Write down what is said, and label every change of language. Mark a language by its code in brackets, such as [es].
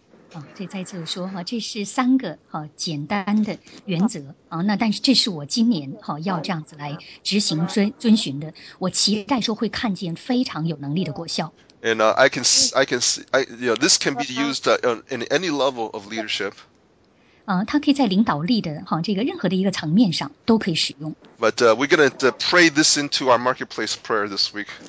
[zh] 所以再次说这是三个简单的原则那但是这是我今年要这样子来执行遵循的，我期待说会看见非常有能力的果效。 [en] And I can see, this can be used in any level of leadership. [zh] 它可以在领导力的这个任何的一个层面上都可以使用。 [en] But we're going to pray this into our marketplace prayer this week.